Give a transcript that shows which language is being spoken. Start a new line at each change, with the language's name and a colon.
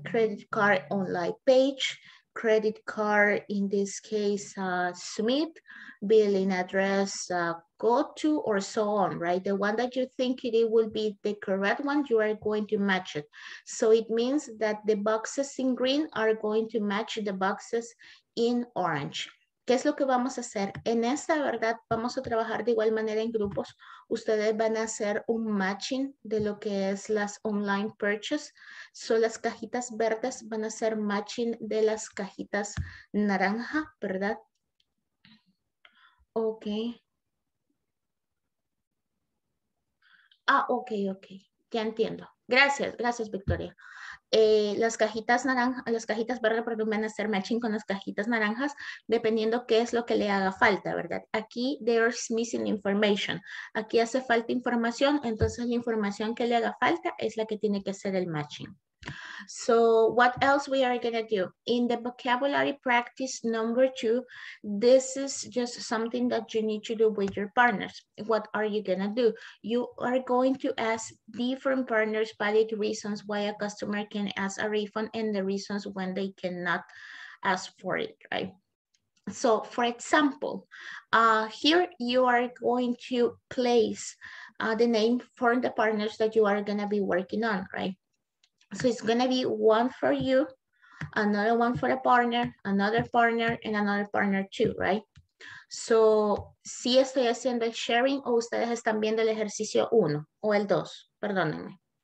English: Credit card online page, credit card, in this case, Smith, billing address, go to, or so on, right? The one that you think it will be the correct one, you are going to match it. So it means that the boxes in green are going to match the boxes in orange.
Spanish: ¿Qué es lo que vamos a hacer? En esta, verdad, vamos a trabajar de igual manera en grupos. Ustedes van a hacer un matching de lo que es las online purchase. So las cajitas verdes van a ser matching de las cajitas naranja, ¿verdad? Ok. Ah, ok, ok. Ya entiendo. Gracias, gracias, Victoria. Las cajitas naranja, las cajitas verdes, perdón, van a hacer matching con las cajitas naranjas, dependiendo qué es lo que le haga falta, ¿verdad? Aquí,
English: there's missing information.
Spanish: Aquí hace falta información, entonces la información que le haga falta es la que tiene que hacer el matching.
English: So, what else we are going to do? In the vocabulary practice number two, this is just something that you need to do with your partners. What are you going to do? You are going to ask different partners valid reasons why a customer can ask a refund and the reasons when they cannot ask for it, right? So, for example, here you are going to place the name for the partners that you are going to be working on, right? So it's going to be one for you, another one for a partner, another partner, and another partner too, right?
Spanish: So, si estoy haciendo el sharing, o ustedes están viendo el ejercicio uno, o el dos, perdónenme.